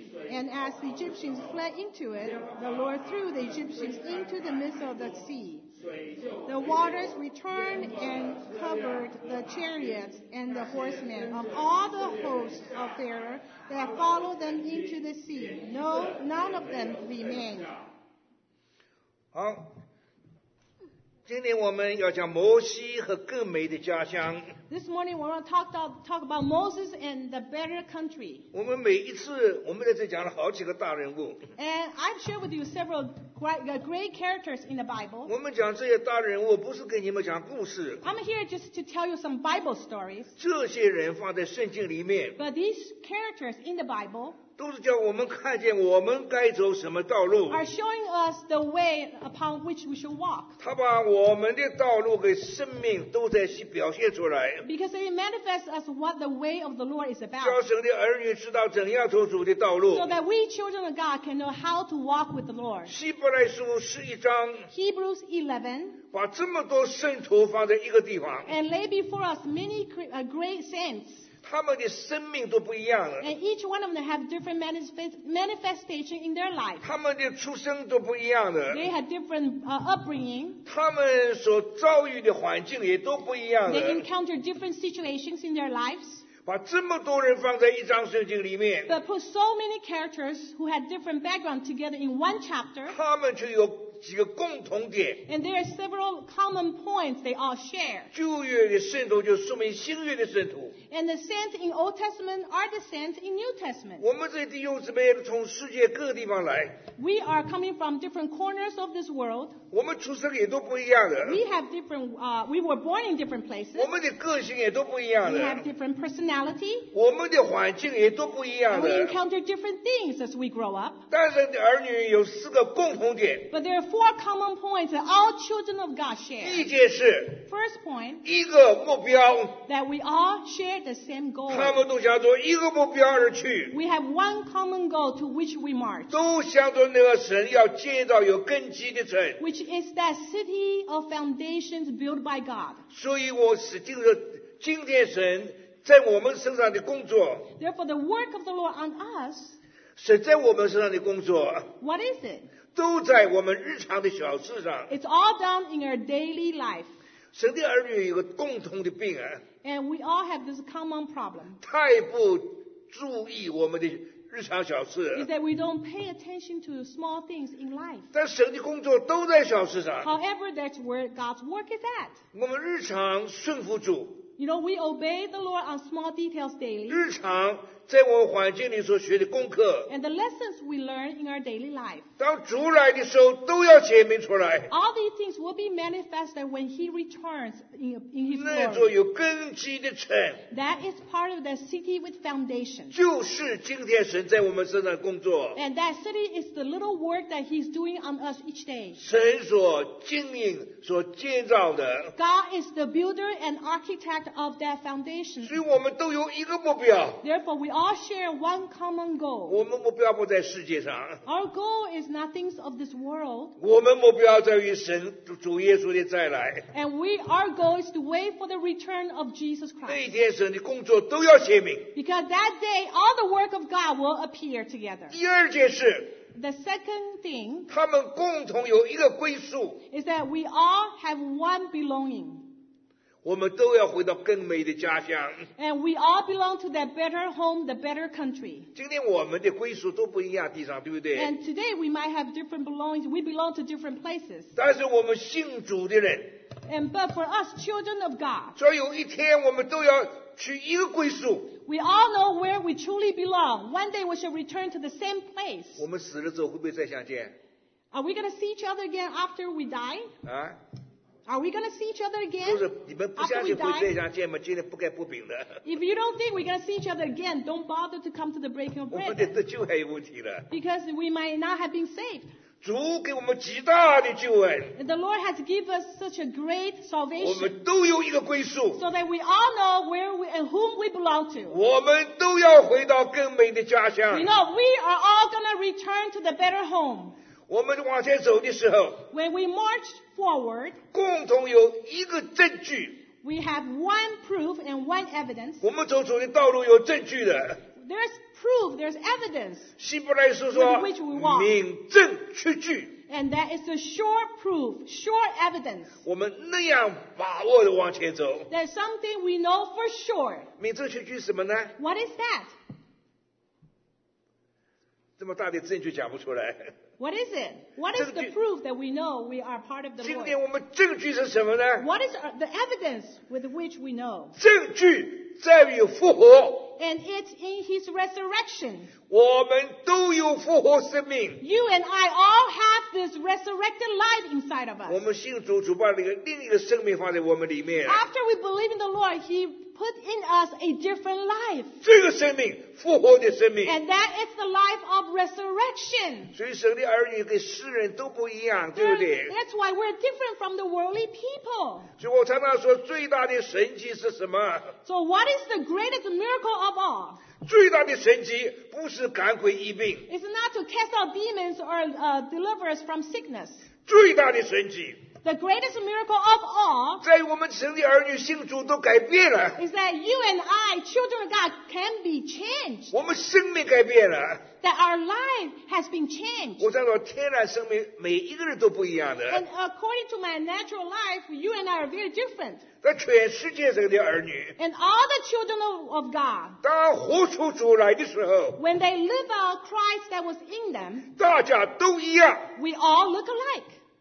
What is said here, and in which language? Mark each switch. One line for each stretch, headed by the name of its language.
English: And as the Egyptians fled into it, the Lord threw the Egyptians into the midst of the sea. The waters returned and covered the chariots and the horsemen of all the hosts of Pharaoh that followed them into the sea. No, none of them remained.
Chinese: 好，今天我们要讲摩西和更美的家乡。
English: This morning we want to talk about Moses and the better country.
Chinese: 我们每一次我们在这讲了好几个大人物。
English: And I've shared with you several great characters in the Bible.
Chinese: 我们讲这些大人物不是给你们讲故事。
English: I'm here just to tell you some Bible stories.
Chinese: 这些人放在圣经里面。
English: But these characters in the Bible.
Chinese: 都是叫我们看见我们该走什么道路。
English: Are showing us the way upon which we should walk.
Chinese: 他把我们的道路给生命都在去表现出来。
English: Because it manifests us what the way of the Lord is about.
Chinese: 叫神的儿女知道怎样走主的道路。
English: So that we children of God can know how to walk with the Lord.
Chinese: 希伯来书十一章。
English: Hebrews 11.
Chinese: 把这么多圣徒放在一个地方
English: and lay before us many great saints
Chinese: 他们的生命都不一样了
English: and each one of them have different manifestation in their life
Chinese: 他们的出生都不一样了
English: they had different upbringing
Chinese: 他们所遭遇的环境也都不一样了
English: they encounter different situations in their lives
Chinese: 把这么多人放在一张圣经里面
English: but put so many characters who had different background together in one chapter
Chinese: 他们就有几个共同点
English: and there are several common points they all share
Chinese: 旧约的圣徒就说明新约的圣徒
English: and the saints in Old Testament are the saints in New Testament
Chinese: 我们这弟兄姊妹从世界各地方来
English: we are coming from different corners of this world
Chinese: 我们出生也都不一样的
English: we have different we were born in different places
Chinese: 我们的个性也都不一样的
English: we have different personality
Chinese: 我们的环境也都不一样的
English: we encounter different things as we grow up
Chinese: 但是儿女有四个共同点
English: but there four common points that all children of God share.
Chinese: 第一件事
English: First point,
Chinese: 一个目标
English: that we all share the same goal.
Chinese: 他们都想做一个目标而去
English: We have one common goal to which we march.
Chinese: 都想做那个神要建造有根基的城
English: which is that city of foundations built by God.
Chinese: 所以我使劲的今天神在我们身上的工作
English: Therefore, the work of the Lord on us
Chinese: 是在我们身上的工作
English: What is it?
Chinese: 都在我们日常的小事上。
English: It's all done in our daily life.
Chinese: 神的儿女有个共同的病啊。
English: And we all have this common problem.
Chinese: 太不注意我们的日常小事。
English: Is that we don't pay attention to small things in life.
Chinese: 但神的工作都在小事上。
English: However, that's where God's work is at.
Chinese: 我们日常顺服主。
English: You know, we obey the Lord on small details daily.
Chinese: 日常在我们环境里所学的功课
English: and the lessons we learn in our daily life.
Chinese: 当主来的时候都要显明出来
English: All these things will be manifested when he returns in his glory.
Chinese: 那座有根基的城
English: That is part of the city with foundation.
Chinese: 就是今天神在我们身上工作
English: And that city is the little work that he's doing on us each day.
Chinese: 神所经营所建造的
English: God is the builder and architect of that foundation.
Chinese: 所以我们都有一个目标
English: Therefore, We all share one common goal.
Chinese: 我们目标不在世界上。
English: Our goal is not things of this world.
Chinese: 我们目标在于神主耶稣的再来。
English: And our goal is to wait for the return of Jesus Christ.
Chinese: 那一天神的工作都要显明。
English: Because that day, all the work of God will appear together.
Chinese: 第二件事。
English: The second thing.
Chinese: 他们共同有一个归宿。
English: Is that we all have one belonging.
Chinese: 我们都要回到更美的家乡。
English: And we all belong to that better home, the better country.
Chinese: 今天我们的归属都不一样，地上对不对
English: ？And today we might have different belongings. We belong to different places.
Chinese: 但是我们信主的人。
English: And but for us, children of God.
Chinese: 所以有一天我们都要去一个归属。
English: We all know where we truly belong. One day we shall return to the same place.
Chinese: 我们死了之后会不会再相见
English: ？Are we going to see each other again after we die? 啊。 Are we going to see each other again?
Chinese: 不是，你们不相信会再相见吗？今天不该不饼的。
English: If you don't think we're going to see each other again, don't bother to come to the breaking of bread.
Chinese: 我们的得救还有问题了。
English: Because we might not have been saved.
Chinese: 主给我们极大的救恩。
English: And the Lord has given us such a great salvation.
Chinese: 我们都有一个归宿。
English: So that we all know where we and whom we belong to.
Chinese: 我们都要回到更美的家乡。
English: You know, we are all going to return to the better home.
Chinese: 我们往前走的时候
English: When we march forward,
Chinese: 共同有一个证据
English: We have one proof and one evidence
Chinese: 我们走主的道路有证据的
English: There's proof, there's evidence
Chinese: 希伯来书说
English: with which we walk
Chinese: 明证确据
English: And that is a sure proof, sure evidence
Chinese: 我们那样把握地往前走
English: There's something we know for sure
Chinese: 明证确据什么呢
English: What is that?
Chinese: 这么大的证据讲不出来
English: What is it? What is the proof that we know we are part of the Lord?
Chinese: 今天我们证据是什么呢?
English: What is the evidence with which we know?
Chinese: 证据在于复活。
English: And it's in his resurrection.
Chinese: 我们都有复活生命。
English: You and I all have this resurrected life inside of us.
Chinese: 我们信主，主把那个另一个生命放在我们里面。
English: After we believe in the Lord, he put in us a different life.
Chinese: 这个生命，复活的生命。
English: And that is the life of resurrection.
Chinese: 所以神的儿女跟世人都不一样，对不对？
English: That's why we're different from the worldly people.
Chinese: 所以我常常说，最大的神迹是什么？
English: So what is the greatest miracle of all?
Chinese: 最大的神迹不是赶鬼医病。
English: It's not to cast out demons or deliver us from sickness.
Chinese: 最大的神迹。
English: The greatest miracle of all
Chinese: 在我们神的儿女信主都改变了
English: is that you and I, children of God, can be changed.
Chinese: 我们生命改变了
English: that our life has been changed.
Chinese: 我想说天然生命每一个人都不一样的
English: and according to my natural life, you and I are very different.
Chinese: 在全世界神的儿女
English: and all the children of God,
Chinese: 当活出主来的时候
English: when they live out Christ that was in them,
Chinese: 大家都一样
English: we all look alike.